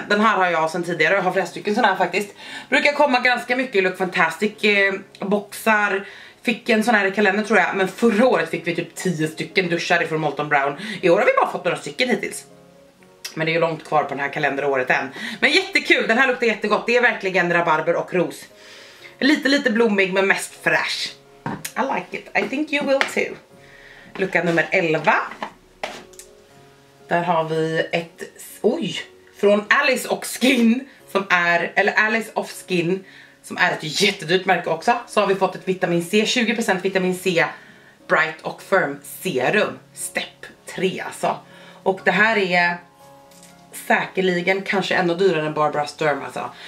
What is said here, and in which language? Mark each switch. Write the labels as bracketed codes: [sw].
[sv] Den här har jag sedan tidigare. Jag har flera stycken sådana här faktiskt. Brukar komma ganska mycket i Look Fantastic boxar. Fick en sån här kalender tror jag, men förra året fick vi typ 10 stycken duschar ifrån Molton Brown. I år har vi bara fått några stycken hittills. Men det är ju långt kvar på den här kalenderåret än. Men jättekul, den här luktar jättegott. Det är verkligen rabarber och ros. Lite blommig men mest fresh. [en] I like it, I think you will too. [sv] Lucka nummer 11. Där har vi ett, oj, från Alice of Skin. Som är, eller Alice of Skin. Som är ett jättedyrt märke också. Så har vi fått ett vitamin C, 20% vitamin C Bright och Firm Serum. Step 3 alltså. Och det här är säkerligen kanske ännu dyrare än Barbara Sturm alltså.